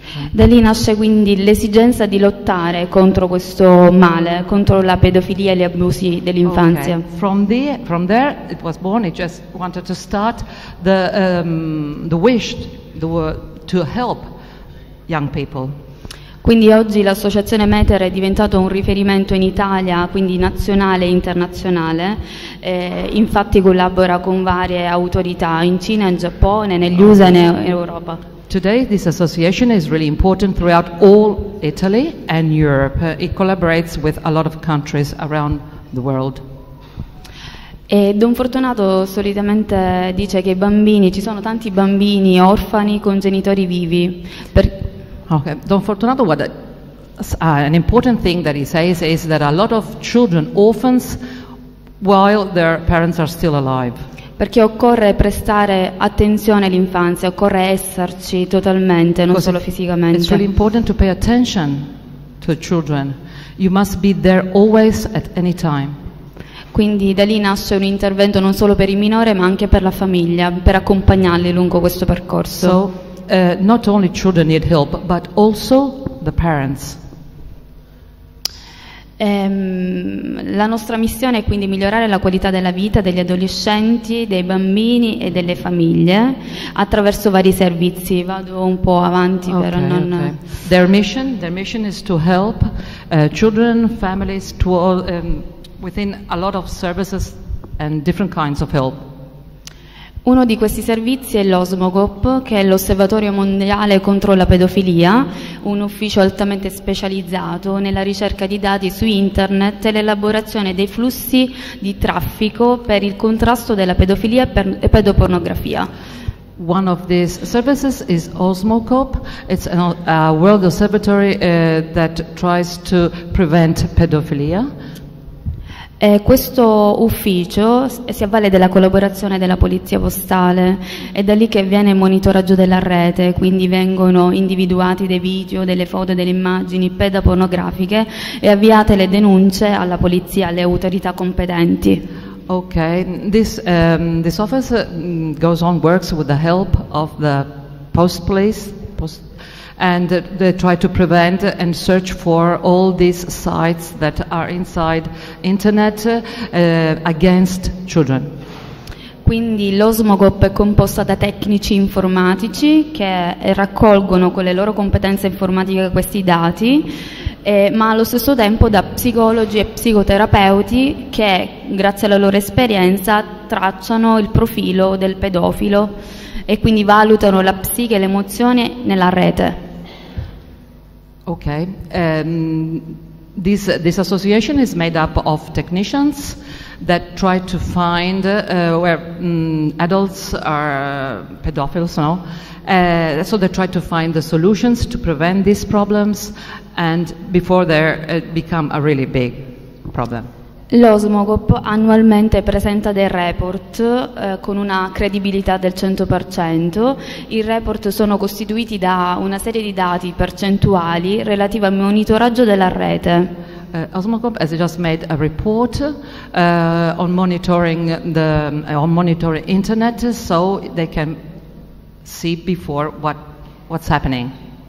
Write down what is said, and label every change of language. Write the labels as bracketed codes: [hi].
[it] Da lì nasce quindi l'esigenza di lottare contro questo male, contro la pedofilia e gli abusi dell'infanzia. [en] Okay. From there it was born, it just wanted to start the wish to help young people. [it] Quindi oggi l'associazione Meter è diventato un riferimento in Italia, quindi nazionale e internazionale. Infatti collabora con varie autorità in Cina, in Giappone, negli USA e in Europa. [en] Today this association is really important throughout all Italy and Europe. It collaborates with a lot of countries around the world. [it] E Don Fortunato solitamente dice che ci sono tanti bambini orfani con genitori vivi. [en] Okay, Don Fortunato, an important thing that he says is that a lot of children orphans while their parents are still alive. [it] Perché occorre prestare attenzione all'infanzia, occorre esserci totalmente, non solo fisicamente. [en] It's really important to pay attention to children. You must be there always at any time. [it] Quindi da lì nasce un intervento non solo per il minore, ma anche per la famiglia, per accompagnarli lungo questo percorso. [en] Not only children need help, but also the parents. [it] La nostra missione è quindi migliorare la qualità della vita degli adolescenti, dei bambini e delle famiglie attraverso vari servizi. Vado un po' avanti, però non. Okay. [en] Their mission is to help children, families, to all, within a lot of services and different kinds of help. [it] Uno di questi servizi è l'OSMOGOP, che è l'Osservatorio Mondiale contro la Pedofilia, un ufficio altamente specializzato nella ricerca di dati su internet e l'elaborazione dei flussi di traffico per il contrasto della pedofilia e pedopornografia. [en] One of these services is OSMOGOP. It's a world observatory that tries to prevent pedophilia. [it] Questo ufficio si avvale della collaborazione della polizia postale, è da lì che viene il monitoraggio della rete, quindi vengono individuati dei video, delle foto, delle immagini pedopornografiche e avviate le denunce alla polizia, alle autorità competenti. [en] Ok, this office goes on, works with the help of the post police, and they try to prevent and search for all these sites that are inside internet against children. [it] Quindi l'OSMOGOP è composta da tecnici informatici che raccolgono con le loro competenze informatiche questi dati, ma allo stesso tempo da psicologi e psicoterapeuti che, grazie alla loro esperienza, tracciano il profilo del pedofilo e quindi valutano la psiche e le emozioni nella rete. [en] Okay. This association is made up of technicians that try to find where adults are pedophiles, no? So they try to find the solutions to prevent these problems and before they become a really big problem. [it] L'OSMOGOP annualmente presenta dei report con una credibilità del 100%. I report sono costituiti da una serie di dati percentuali relativi al monitoraggio della rete. [en] OSMOGOP has just made a report on monitoring internet so they can see before what's happening.